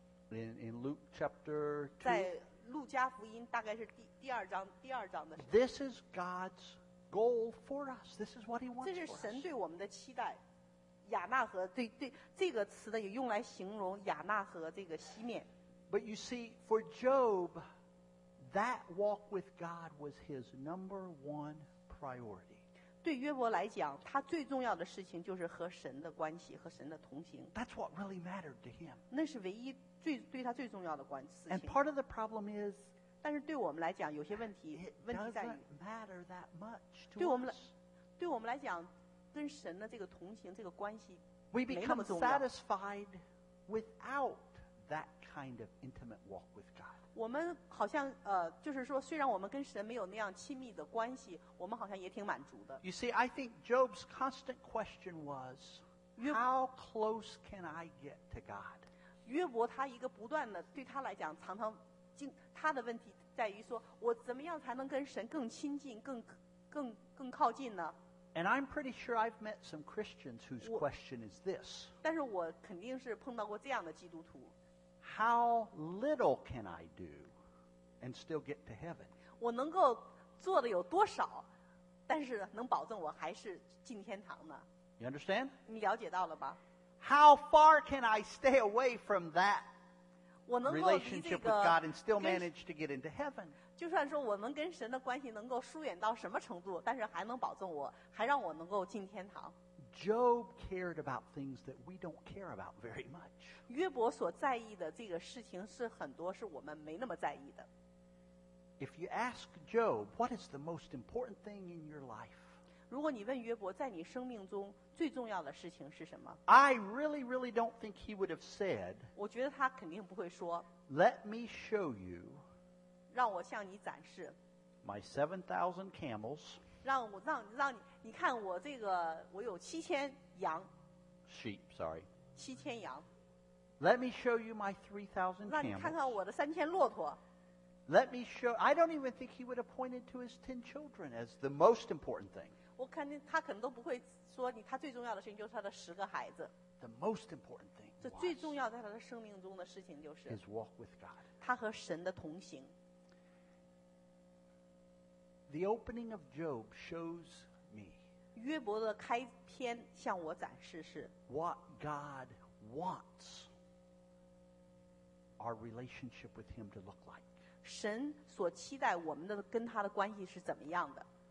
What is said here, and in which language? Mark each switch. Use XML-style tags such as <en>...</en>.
<en>In Luke chapter 2,</en> <zh>在路加福音大概是第二章的。</zh> <en>This is God's goal for us. This is what He wants.</en> <zh>这是神对我们的期待。亚纳和对这个词呢，也用来形容亚纳和这个西面。</zh> <en>But you see, for Job, that walk with God was his number one priority.</en> <zh>对约伯来讲，他最重要的事情就是和神的关系，和神的同行。</zh> <en>That's what really mattered to him.</en> <zh>那是唯一。对他最重要的关系。</zh> <en>And part of the problem is,</en> <zh>但是对我们来讲，有些问题，在于</zh> <en>matter that much to</en> <zh>对我们来讲，跟神的这个同行这个关系</zh> <en>，we become satisfied without that kind of intimate walk with God.</en> <zh>我们好像就是说，虽然我们跟神没有那样亲密的关系，我们好像也挺满足的。</zh> <en>You see, I think Job's constant question was, how close can I get to God?</en> <zh>约伯他一个不断的对他来讲常常经他的问题在于说我怎么样才能跟神更亲近更靠近呢</zh> <en>And I'm pretty sure I've met some Christians whose question is this</en> <zh>但是我肯定是碰到过这样的基督徒</zh> <en>How little can I do and still get to heaven</en> <zh>我能够做的有多少但是能保证我还是进天堂呢</zh> <en>You understand?</en> <zh>你了解到了吧</zh> <en>How far can I stay away from that relationship with God and still manage to get into heaven?</en> <zh>就算说我们跟神的关系能够疏远到什么程度，但是还能保证我，还让我能够进天堂。</zh> <en>Job cared about things that we don't care about very much.</en> <zh>约伯所在意的这个事情是很多是我们没那么在意的。</zh> <en>If you ask Job, what is the most important thing in your life?</en> <zh>如果你问约伯，在你生命中最重要的事情是什么</zh> <en>？I really, really don't think he would have said.</en> <zh>我觉得他肯定不会说。</zh> <en>Let me show you.</en> <zh>让我向你展示。</zh> <en>My 7,000 camels.</en> <zh>让你，你看我这个，我有7,000 羊。</zh> <en>Sheep, sorry.</en> <zh>7,000 羊。</zh> <en>Let me show you my 3,000 camels.</en> <zh>让你看看我的3,000骆驼。</zh> <en>Let me show. I don't even think he would have pointed to his 10 children as the most important thing.</en> <zh>我肯定他可能都不会说你他最重要的事情就是他的10个孩子</zh> <en>The most important thing</en> <zh>这最重要在他的生命中的事情就是</zh> <en>His walk with God</en> <zh>他和神的同行</zh> <en>The opening of Job shows me</en> <zh>约伯的开篇向我展示是</zh> <en>What God wants our relationship with Him to look like.</en> <zh>神所期待我们的跟他的关系是怎么样的。</zh>